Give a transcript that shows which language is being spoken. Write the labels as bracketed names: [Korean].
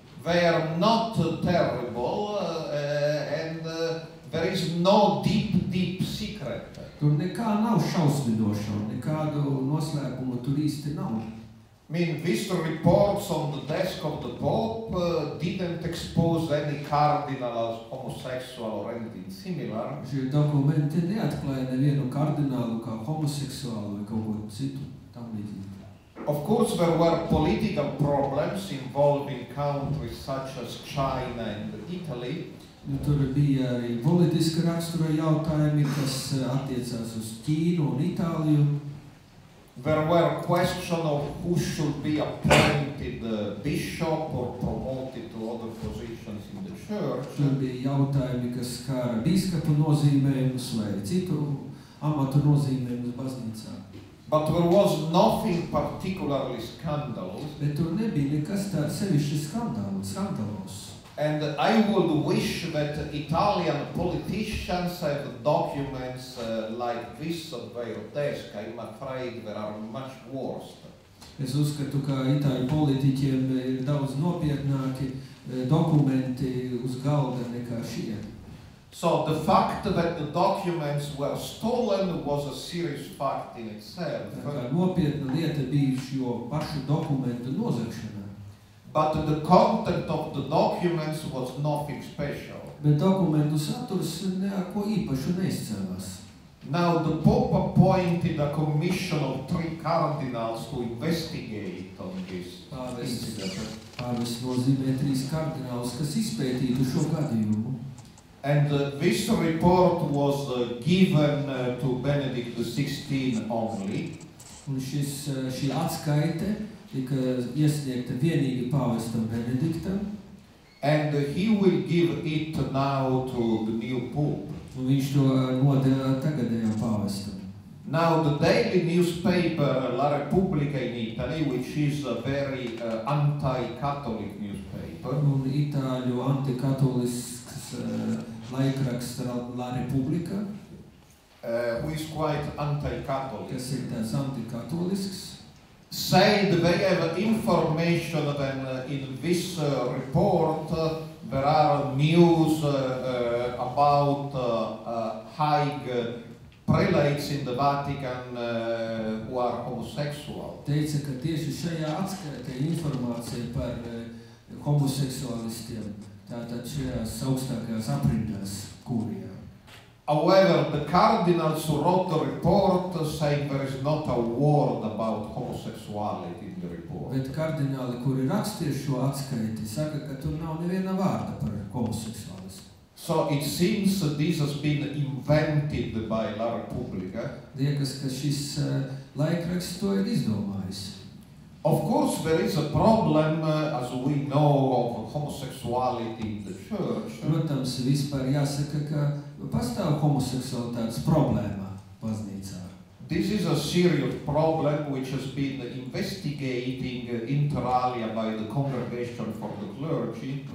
[English] they are not terrible and there is no deep secret. [Latvian] Tur nekā nav šausminošo, nekādu noslēpumu tur īsti nav. [English] I mean, these reports on the desk of the Pope didn't expose any cardinal as homosexual or anything similar. [Latvian] Šie dokumenti neatklāja nevienu kardinālu kā homoseksuālu vai kaut ko citu tam līdzīgi. [English] Of course, there were political problems involving countries such as China and Italy. [Latvian] Tur bija arī politiska rakstura jautājumi, kas attiecās uz Ķīnu un Itāliju. [English] There were question of who should be appointed bishop or promoted to other positions in the church. [Latvian] Tur bija jautājumi, kas skāra biskapu nozīmējumus vai citu amatu nozīmējumus baznīcā. [English] But there was nothing particularly scandalous. [Latvian] Bet tur nebija nekas tāds sevišķi skandalos. [English] And I would wish that Italian politicians have documents like this of their desk. I'm afraid there are much worse. [Latvian] Es uzskatu, ka itāļu politiķiem ir daudz nopietnāki dokumenti uz galda nekā šie. [English] So the fact that the documents were stolen was a serious fact in itself. [Latvian] Nopietna lieta bija šo pašu dokumentu nozagšana. [English] But the content of the documents was nothing special. [Latvian] Bet dokumentu saturs neko īpašu neizcēlās. [English] Now the Pope appointed a commission of three cardinals to investigate on this. [Latvian] Pāvests nozīmē trīs kardinālus, kas izpētītu šo gadījumu. [English] And this report was given to Benedict XVI only. [Latvian] Un šī atskaite tika iesniegta vienīgi pavestam Benediktam. [English] And he will give it now to the new Pope. [Latvian] Un viņš to nodēlā tagadējam pavestam. [English] Now the daily newspaper La Repubblica in Italy, which is a very anti-Catholic newspaper. [Latvian] Un Itāļu anti-katolisks laikraksts La Repubblica. [English] Who is quite anti-Catholic. [Latvian] Kas ir tās anti-katolisks. [English] Said they have information that in this report there are news about high prelates in the Vatican who are homosexual. [Latvian] Teica, ka tieši šajā atskaitē informācija par homoseksualistiem, tātad šajās augstākajās aprindās kurijā. [English] However, the cardinals who wrote the report say there is not a word about homosexuality in the report. [Latvian] Bet kardināli, kuri rakstīja šo atskaiti, saka, ka tur nav neviena vārda par homoseksualismu. [English] So it seems that this has been invented by La Repubblica. [Latvian] Liekas, ka šis laikraksts to ir izdomājis. [English] Of course, there is a problem, as we know, of homosexuality in the church. [Latvian] Protams, vispār jāsaka, ka pastāv homoseksualitātes problēma baznīcā. [English] This is a serious problem which has been investigating inter alia by the Congregation for the Clergy.